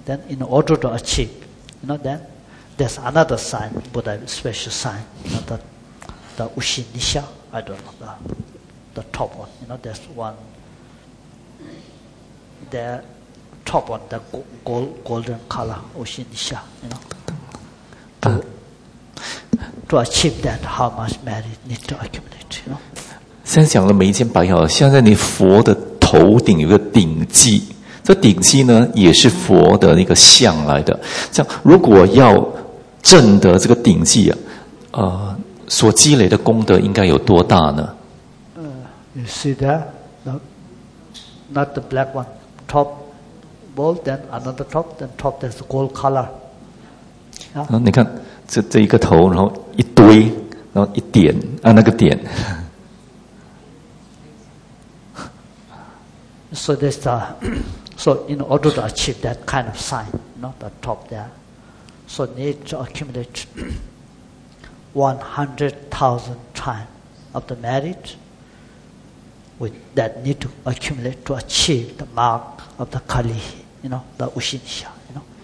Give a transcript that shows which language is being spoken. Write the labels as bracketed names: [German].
[English] Then in order to achieve, you know, then,there's another sign, Buddha, special sign, you know, the Ushi Nisha, I don't know, the top one, you know, there's one, the top one, the golden color, Ushi Nisha, you know. To achieve that, how much merit need to accumulate, you know. [Chinese] 现在讲了眉间白毫，现在你佛的头顶有个顶髻，这顶髻呢也是佛的那个像来的，这样如果要证得这个顶髻啊，所积累的功德应该有多大呢？ [English] You see that? No, not the black one. Top bowl, then another top, then top there's gold color. [Chinese] 啊，你看这一个头，然后一堆，然后一点啊那个点。 [English] So there's the, so in order to achieve that kind of sign, not the top there. So need to accumulate 100,000 times of the merit that need to accumulate to achieve the mark of the Kali, you know, the Ushinsha, you know.